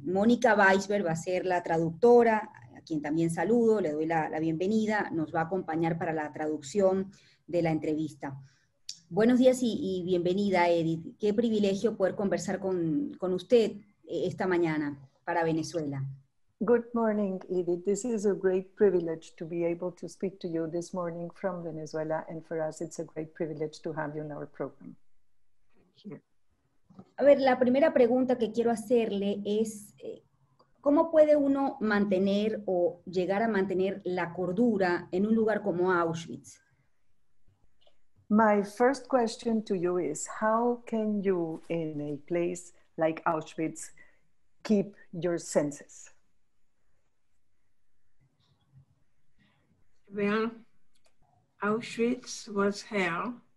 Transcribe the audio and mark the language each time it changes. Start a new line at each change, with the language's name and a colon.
Spanish: Mónica Weisberg va a ser la traductora, a quien también saludo, le doy la bienvenida, nos va a acompañar para la traducción de la entrevista. Buenos días y bienvenida, Edith. Qué privilegio poder conversar con usted esta mañana para Venezuela.
English: Good morning, Edith. This is a great privilege to be able to speak to you this morning from Venezuela, and for us it's a great privilege to have you in our program.
Spanish: A ver, la primera pregunta que quiero hacerle es, ¿cómo puede uno mantener o llegar a mantener la cordura en un lugar como Auschwitz?
English: My first question to you is, how can you, in a place like Auschwitz, keep your senses? Well, Auschwitz was hell.